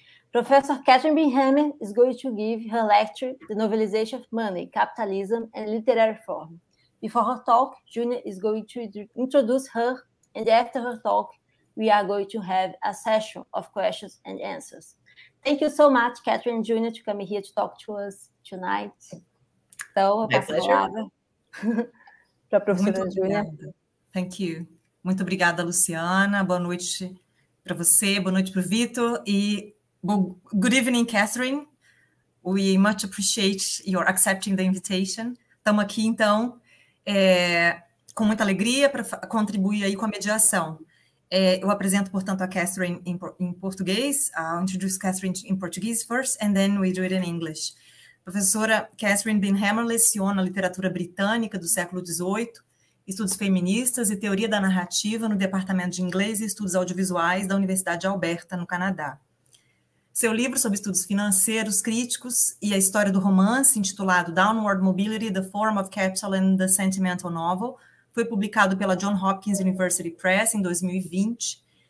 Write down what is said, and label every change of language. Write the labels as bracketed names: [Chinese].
[English] Professor Katherine Binhammer is going to give her lecture, The Novelization of Money, Capitalism and Literary Form. Before her talk, Junia is going to introduce her, and after her talk, we are going to have a session of questions and answers. Thank you so much, Katherine and Junia, to come here to talk to us tonight. [Portuguese] Então, eu passo a palavra para a professora Junia. [English] Thank you. [Portuguese] Muito obrigada, Luciana. Boa noite para você, boa noite para o Vitor. E [English] good evening, [Portuguese] Katherine. [English] We much appreciate your accepting the invitation. [Portuguese] Estamos aqui, então, com muita alegria para contribuir aí com a mediação. Eu apresento, portanto, a Katherine em português. [English] I'll introduce Katherine in Portuguese first, and then we do it in English. [Portuguese] Professora Katherine Binhammer leciona literatura britânica do século XVIII, estudos feministas e teoria da narrativa no Departamento de Inglês e Estudos Audiovisuais da Universidade de Alberta, no Canadá. Seu livro sobre estudos financeiros, críticos e a história do romance, intitulado Downward Mobility, The Form of Capital and the Sentimental Novel, foi publicado pela Johns Hopkins University Press em 2020.